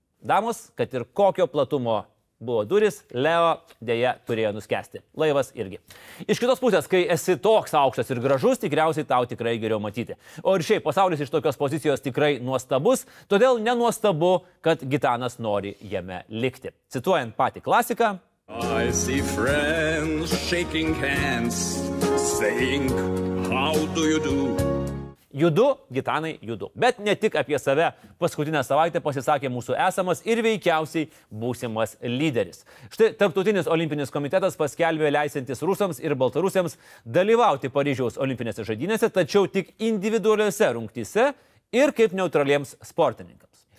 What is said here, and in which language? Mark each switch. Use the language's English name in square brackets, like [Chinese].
[Lithuanian] Damos, kad ir kokio platumo buvo duris, Leo dėja turėjo nuskesti. Laivas irgi. Iš kitos pusės, kai esi toks aukštas ir gražus, tikriausiai tau tikrai geriau matyti. O ir šiaip, pasaulis iš tokios pozicijos tikrai nuostabus, todėl nenuostabu, kad Gitanas nori jame likti. Cituojant patį klasiką. [English] I see friends shaking hands, saying, how do you do? [Lithuanian] Judu, Gitanai, judu. Bet ne tik apie save. Paskutinę savaitę pasisakė mūsų esamas ir veikiausiai būsimas lyderis. Štai Tarptautinis olimpinis komitetas paskelbė leisintis rusams ir baltarusiams dalyvauti Paryžiaus olimpinėse žaidynėse, tačiau tik individualiose rungtyse ir kaip neutraliems sportininkams.